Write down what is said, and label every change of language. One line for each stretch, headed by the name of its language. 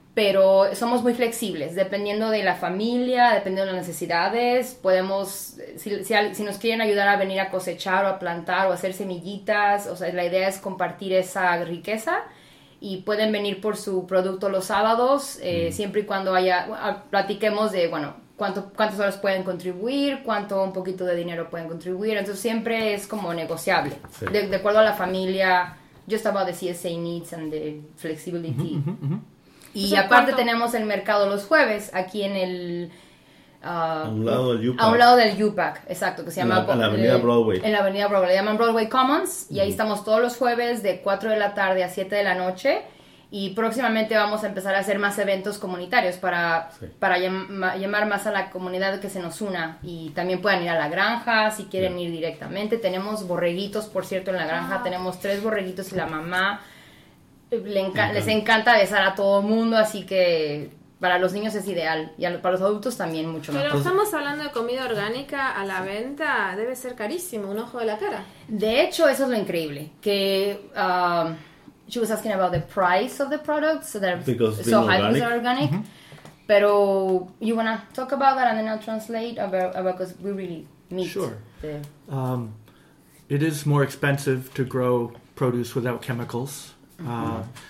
Spanish: pero somos muy flexibles, dependiendo de la familia, dependiendo de las necesidades, podemos, si nos quieren ayudar a venir a cosechar o a plantar o a hacer semillitas, o sea, la idea es compartir esa riqueza y pueden venir por su producto los sábados, siempre y cuando platiquemos de, bueno, cuántas horas pueden contribuir, cuánto un poquito de dinero pueden contribuir. Entonces, siempre es como negociable. Sí. De acuerdo a la familia,
English: just about the CSA needs and the flexibility.
Spanish: Y aparte tenemos el mercado los jueves, aquí en el... A un lado del UPAC, exacto, que se llama... En la Avenida Broadway. En la Avenida Broadway, le llaman Broadway Commons. Y ahí estamos todos los jueves de 4 de la tarde a 7 de la noche... Y próximamente vamos a empezar a hacer más eventos comunitarios para llamar más a la comunidad que se nos una. Y también puedan ir a la granja si quieren ir directamente. Tenemos borreguitos, por cierto, en la granja. Tenemos 3 borreguitos y la mamá les encanta besar a todo mundo. Así que Para los niños es ideal, y para los adultos también mucho pero mejor. Pero estamos hablando de comida orgánica a la venta, debe ser carísimo, un ojo de la cara. De hecho, eso es lo increíble, que...
English: she was asking about the price of the products, so they're so high because they're organic. Mm-hmm. Pero you want to talk about that and then I'll translate, about because we really need sure. It is more expensive to grow produce without chemicals. Mm-hmm.